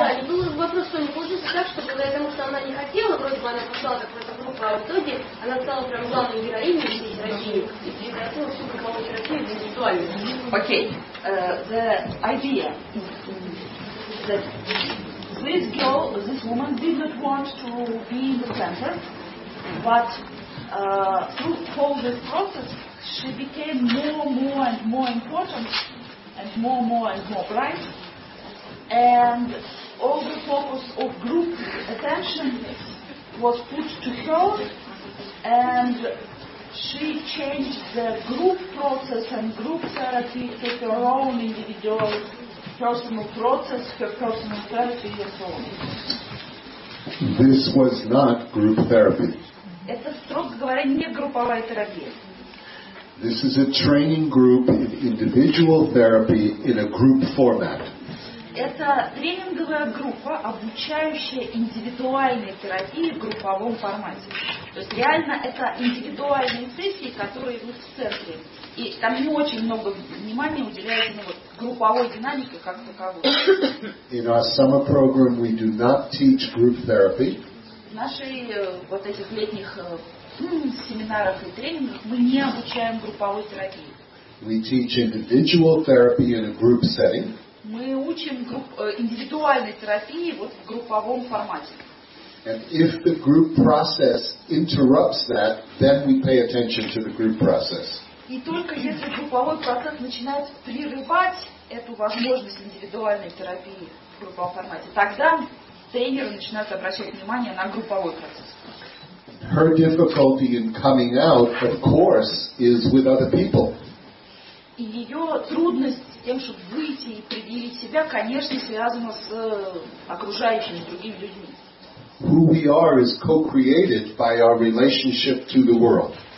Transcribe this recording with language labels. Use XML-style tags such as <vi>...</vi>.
<ru>Да, был вопрос, что не получилось так, что благодаря тому, что она не хотела, вроде бы она пошла как в эту группу, а в итоге она стала прям главной героиней всей терапии и превратила всю групповую терапию в индивидуальную. Окей.</ru> <en>The idea is that this girl, this woman did not want to be in the center, but through all this process, she became more and more important, and more bright. And all the focus of group attention was put to her, and she changed the group process and group therapy to her own individual personal process, her personal therapy, and so on. This was not group therapy.</en> <ru>Это, строго говоря, не групповая терапия.</ru> <en>This is a training group in individual therapy in a group format.</en> <ru>Это тренинговая группа, обучающая индивидуальной терапии в групповом формате. То есть реально это индивидуальные сессии, которые идут в церкви. И там не очень много внимания уделяется групповой динамике как таковой.</ru> <en>In our summer program we do not teach group therapy.</en> <ru>В нашей вот этих летних семинарах и тренингах мы не обучаем групповой терапии.</ru> <en>We teach individual therapy in a group setting.</en> <ru>Мы учим индивидуальной терапии вот в групповом формате.</ru> <en>And if the group process interrupts that, then we pay attention to the group process.</en> <ru>И только если групповой процесс начинает прерывать эту возможность индивидуальной терапии в групповом формате, тогда тренеры начинают обращать внимание на групповой процесс.</ru> <en>Her difficulty in coming out, of course, is with other people.</en> <ru>И ее трудность с тем, чтобы выйти и предъявить себя, конечно, связана с окружающими, другими людьми.</ru> <en>Who we are is co-created by our relationship to the world.</en>